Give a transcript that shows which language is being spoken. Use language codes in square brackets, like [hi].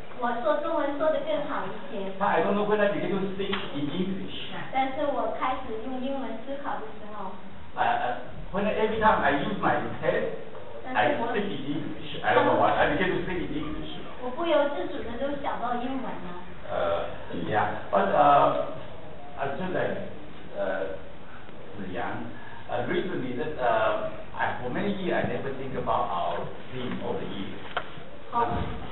[zh] 我说中文说得更好一些。 [en] I don't know when I began to speak in English. [zh] 但是我开始用英文思考的时候。 [en] When every time I use my head, I speak in English. I don't know why, I began to speak in English. [zh] 我不由自主的都想到英文了。 [en] Yeah, but actually, Zi Yang, recently, that, for many years, I never think about our theme of the year.